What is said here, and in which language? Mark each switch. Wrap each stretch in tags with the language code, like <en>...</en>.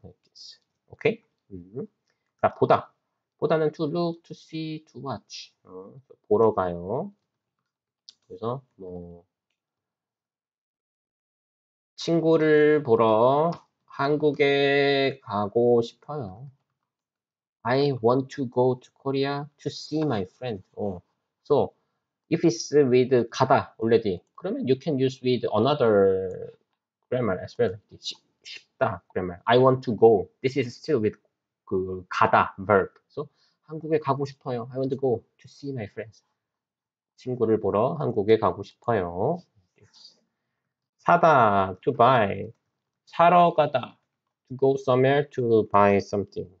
<en>Like this. 오케이? 자, 보다. 보다는 to look, to see, to watch.</en> <ko>보러 가요. 그래서 뭐 친구를 보러 한국에 가고 싶어요.</ko> <en>I want to go to Korea to see my friend. So if it's with 가다 already, 그러면 you can use with another grammar as well. 쉽다 grammar. I want to go. This is still with 그 가다 verb.</en> <ko>So 한국에 가고 싶어요.</ko> <en>I want to go to see my friends.</en> <ko>친구를 보러 한국에 가고 싶어요.</ko> <en>Yes. 사다, to buy. 사러 가다, to go somewhere to buy something.</en>